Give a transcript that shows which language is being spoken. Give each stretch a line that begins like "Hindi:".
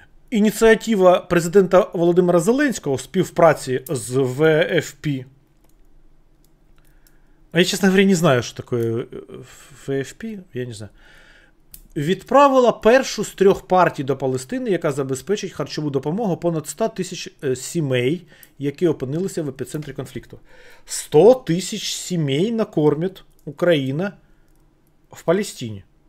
Ukrainian: Инициатива президента Володимира Зеленського в співпраці з ВФП.
Russian: А я, честно говоря, не знаю, что такое ВФП, я не знаю.
Ukrainian: Відправила першу з трьох партій до Палестини, яка забезпечить харчову допомогу понад 100 тисяч сімей, які опинилися в епіцентрі конфлікту. 100 тисяч сімей накормить Україна в Палестині.